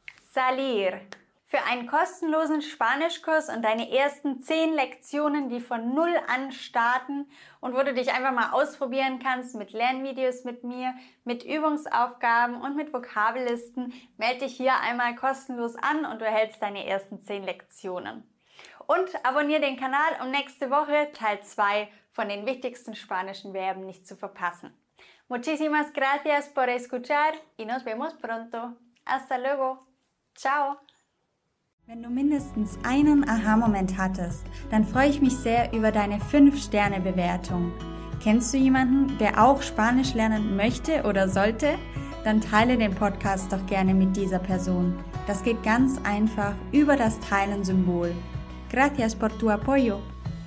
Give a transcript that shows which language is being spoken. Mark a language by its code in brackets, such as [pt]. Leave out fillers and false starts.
[de] Salir. Für einen kostenlosen Spanischkurs und deine ersten 10 Lektionen, die von null an starten und wo du dich einfach mal ausprobieren kannst mit Lernvideos mit mir, mit Übungsaufgaben und mit Vokabellisten, melde dich hier einmal kostenlos an und du erhältst deine ersten 10 Lektionen. Und abonniere den Kanal, um nächste Woche Teil 2 von den wichtigsten spanischen Verben nicht zu verpassen. [es] Muchísimas gracias por escuchar y nos vemos pronto. Hasta luego. Ciao. [de] Wenn du mindestens einen Aha-Moment hattest, dann freue ich mich sehr über deine 5-Sterne-Bewertung. Kennst du jemanden, der auch Spanisch lernen möchte oder sollte? Dann teile den Podcast doch gerne mit dieser Person. Das geht ganz einfach über das Teilen-Symbol. [es] Gracias por tu apoyo.